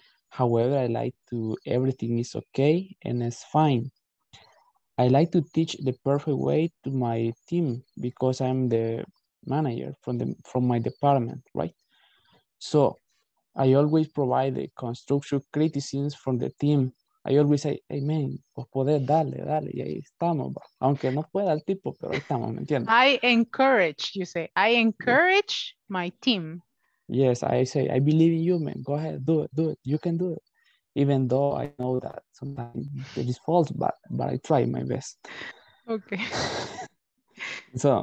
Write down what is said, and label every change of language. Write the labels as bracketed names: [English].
[English] However, I like to everything is okay and it's fine. I like to teach the perfect way to my team because I'm the manager from my department, right? So I always provide the constructive criticisms from the team. I always say, hey, man, [Spanish] pues poder, dale, dale, y ahí estamos. Bro. Aunque no pueda el tipo, pero ahí estamos, ¿me entiendes? [English] I encourage, you say, I encourage my team. Yes, I say, I believe in you, man. Go ahead, do it, do it. You can do it. Even though I know that sometimes it is false, but I try my best. Okay. So,